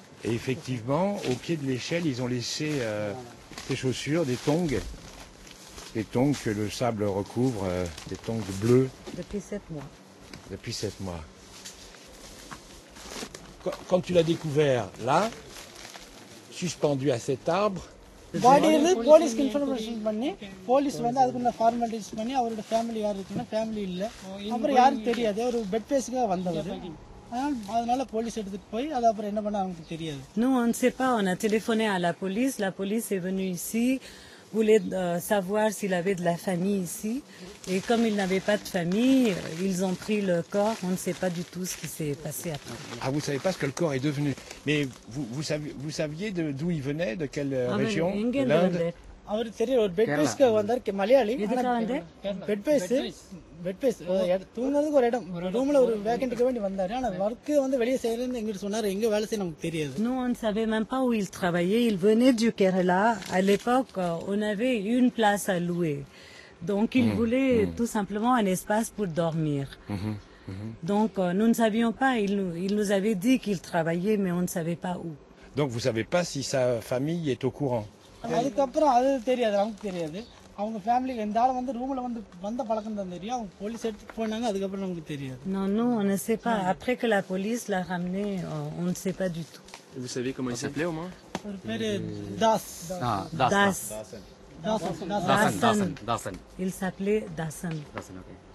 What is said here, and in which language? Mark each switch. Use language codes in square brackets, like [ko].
[fr] Et effectivement, au pied de l'échelle, ils ont laissé des chaussures, des tongs. des tongs que le sable recouvre, des tongs bleus. Depuis 7 mois. Depuis 7 mois. Quand tu l'as découvert là, suspendu à cet arbre. [en] Body is police confirmation [ta] பண்ணி police வந்து அதுக்கு என்ன formalities பண்ணி அவரோட family யார் இருக்குன்னா family இல்ல அப்புறம் யாரும் தெரியாது ஒரு பெட் பேஸ்க்கு வந்தவர் [fr] Nous, on ne sait pas. On a téléphoné à la police. La police est venue ici, voulait savoir s'il avait de la famille ici. Et comme il n'avait pas de famille, ils ont pris le corps. On ne sait pas du tout ce qui s'est passé après. Ah, vous ne savez pas ce que le corps est devenu. Mais vous saviez d'où il venait, de quelle région, de l'Inde? [ta] அவர் தெரிய ஒரு bed பேஸ்க்கு வந்தார் Malayali bed base தூங்குறதுக்கு ஒரு இடம் ரூம்ல ஒரு வேக்கண்ட்க்கு வேண்டி வந்தாரு ஆனா வர்க் வந்து வெளியே செய்யறது எங்க சொன்னாரு எங்க வேலை செய்ய நமக்கு தெரியாது [fr] Nous on savait même pas où il travaillait il venait du Kerala à l'époque on avait une place à louer donc il voulait tout simplement un espace pour dormir donc nous ne savions pas il nous avait dit qu'il travaillait mais on ne savait pas où donc vous savez pas si sa famille est au courant [ta] அதுக்கப்புறம் அது தெரியாது அவங்களுக்கு தெரியாது அவங்க family எந்த ஆளும் வந்து ரூம்ல வந்து வந்த பழக்கம் தான் தெரியும் அவங்க போலீஸ் எடுத்துட்டு போனாங்க அதுக்கப்புறம் நமக்கு தெரியாது [fr] Non, non, on ne sait pas. Après que la police l'a ramené, on ne sait pas du tout. Et vous savez comment il s'appelait au moins? Le père est Das. Ah, Das. Das. Das. Das. Das. Das. Das. Il s'appelait Dasan. Dasan, ok.